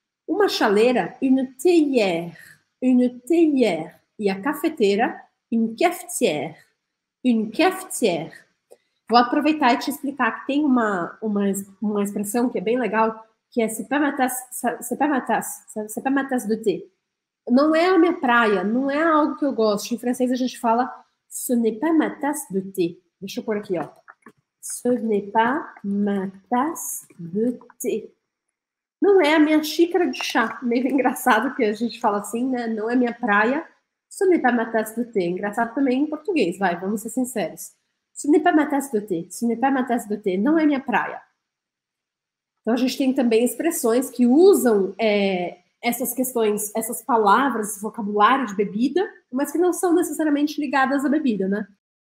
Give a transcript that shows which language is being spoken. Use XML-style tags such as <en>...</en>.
<pt>Uma chaleira,</pt> <fr>une théière. Une théière.</fr> <pt>E a cafeteira,</pt> <fr>une cafetière. Une cafetière.</fr> <pt>Vou aproveitar e te explicar que tem uma expressão que é bem legal, que é</pt> <fr>se permettez de thé.</fr> <pt>Não é a minha praia, não é algo que eu gosto. Em francês a gente fala</pt> <fr>ce n'est pas ma tasse de thé.</fr> <pt>Deixa eu pôr aqui, ó.</pt> <fr>Ce n'est pas ma tasse de thé.</fr> <pt>Não é a minha xícara de chá. Meio engraçado que a gente fala assim, né? Não é minha praia.</pt> <fr>Ce n'est pas ma tasse de thé.</fr> <pt>Engraçado também em português, vai, vamos ser sinceros.</pt> <fr>Ce n'est pas ma tasse de thé. Ce n'est pas ma tasse de thé.</fr> <pt>Não é minha praia. Então a gente tem também expressões que usam essas questões, essas palavras, esse vocabulário de bebida, mas que não são necessariamente ligadas à bebida, né?</pt>